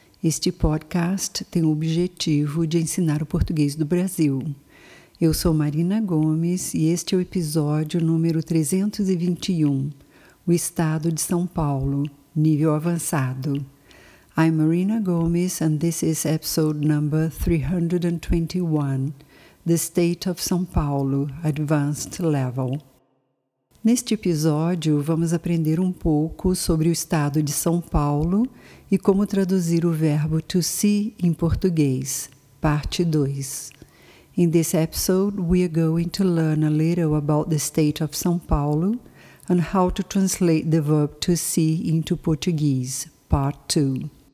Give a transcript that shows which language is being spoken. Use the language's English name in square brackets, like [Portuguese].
[Portuguese] Este podcast tem o objetivo de ensinar o português do Brasil. Eu sou Marina Gomes e este é o episódio número 321, o Estado de São Paulo, nível avançado. [English] I'm Marina Gomes and this is episode number 321, The State of São Paulo, Advanced Level. [Portuguese] Neste episódio, vamos aprender um pouco sobre o estado de São Paulo e como traduzir o verbo to see em português, parte 2. [English] In this episode, we are going to learn a little about the state of São Paulo and how to translate the verb to see into Portuguese, part 2.